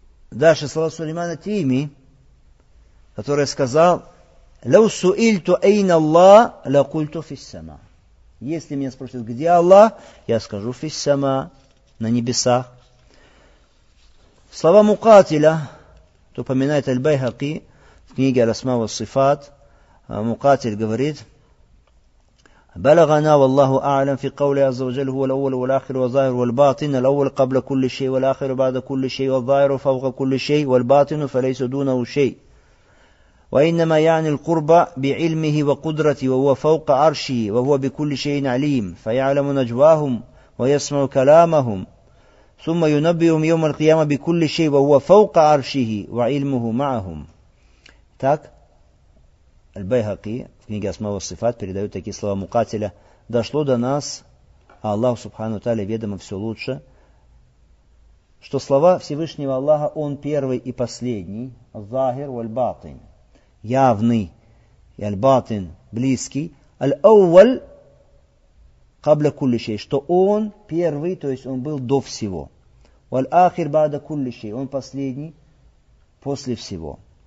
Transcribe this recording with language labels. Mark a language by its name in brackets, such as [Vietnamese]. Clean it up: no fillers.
[Russian] Дальше слова Сулеймана Тими, который сказал, [Arabic] «Лау суильту эйн Аллах, ла культу фиссама». [Russian] Если меня спросят, где Аллах, я скажу фиссама, на небесах. Слова Мукатиля, то упоминает Аль-Байхаки в книге «Расма ва Сифат», Мукатиль говорит, [Arabic] بلغنا والله أعلم في قوله عز وجل هو الأول والآخر والظاهر والباطن الأول قبل كل شيء والآخر بعد كل شيء والظاهر فوق كل شيء والباطن فليس دونه شيء وإنما يعني القرب بعلمه وقدرته وهو فوق عرشه وهو بكل شيء عليم فيعلم نجواهم ويسمع كلامهم ثم ينبئهم يوم القيامة بكل شيء وهو فوق عرشه وعلمه معهم. [Russian] Так البيهقي в книге «Асма ва Сифат» передают такие слова Мукатиля. «Дошло до нас, а Аллаху Субхану Тааля ведомо все лучше, что слова Всевышнего Аллаха, Он первый и последний, [Arabic] Захир валь-батин, [Russian] явный, и аль-батин, близкий, [Arabic] аль-ауваль, кабля кулли шей, [Russian] что Он первый, то есть Он был до всего, [Arabic] валь-ахир бада кулли шей, [Russian] Он последний, после всего».